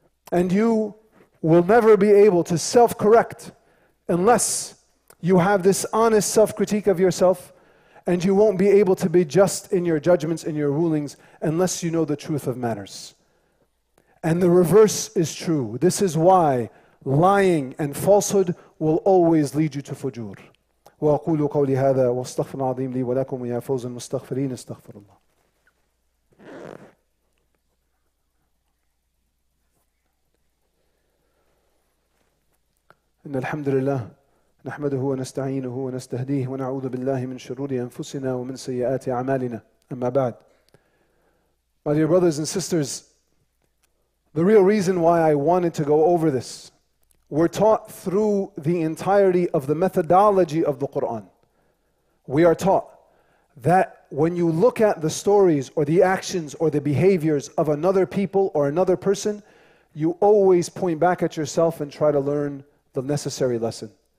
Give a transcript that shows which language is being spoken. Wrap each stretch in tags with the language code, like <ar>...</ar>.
<en>And you will never be able to self-correct unless you have this honest self-critique of yourself, and you won't be able to be just in your judgments, in your rulings, unless you know the truth of matters. And the reverse is true. This is why lying and falsehood will always lead you to fujur.</en> <ar>وأقول قولي هذا واستغفر العظيم لي ولكم يا فوز المستغفرين استغفر الله. إن الحمد لله نحمده ونستعينه ونستهديه ونعوذ بالله من شرور أنفسنا ومن سيئات أعمالنا أما بعد.</ar> <en>My dear brothers and sisters, the real reason why I wanted to go over this, we're taught through the entirety of the methodology of the Qur'an. We are taught that when you look at the stories or the actions or the behaviors of another people or another person, you always point back at yourself and try to learn the necessary lesson.</en>